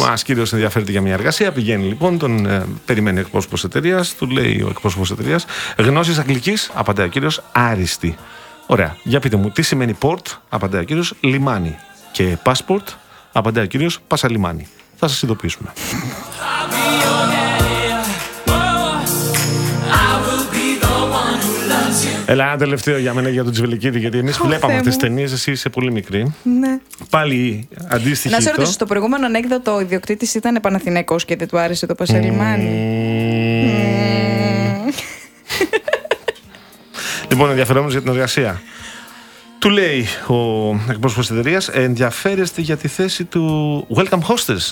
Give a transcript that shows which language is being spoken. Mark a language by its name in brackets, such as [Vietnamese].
[Greek] Μου κύριος ενδιαφέρεται για μια εργασία. Πηγαίνει λοιπόν, τον περιμένει ο εκπρόσωπος εταιρείας. Του λέει ο εκπρόσωπος εταιρείας: γνώσεις αγγλικής, απαντάει ο κύριος, άριστη. Ωραία, για πείτε μου, τι σημαίνει port, απαντάει ο κύριος, λιμάνι. Και passport, απαντάει ο κύριος, πασαλιμάνι. Θα σας ειδοποιήσουμε. [English] I will be the one who loves you. [Greek] Έλα, ένα τελευταίο για μένα για τον Τσβελικίδη, γιατί εμείς βλέπαμε αυτές τις ταινίες, εσύ είσαι πολύ μικρή. Ναι. Πάλι αντίστοιχη. Να σε ρωτήσω, στο προηγούμενο ανέκδοτο ο ιδιοκτήτης ήταν Παναθηναϊκός και δεν του άρεσε το Πασαλιμάνι. Λοιπόν, ενδιαφερόμενος για την εργασία. Του λέει ο εκπρόσωπος της εταιρείας, ενδιαφέρεστε για τη θέση του welcome hostess.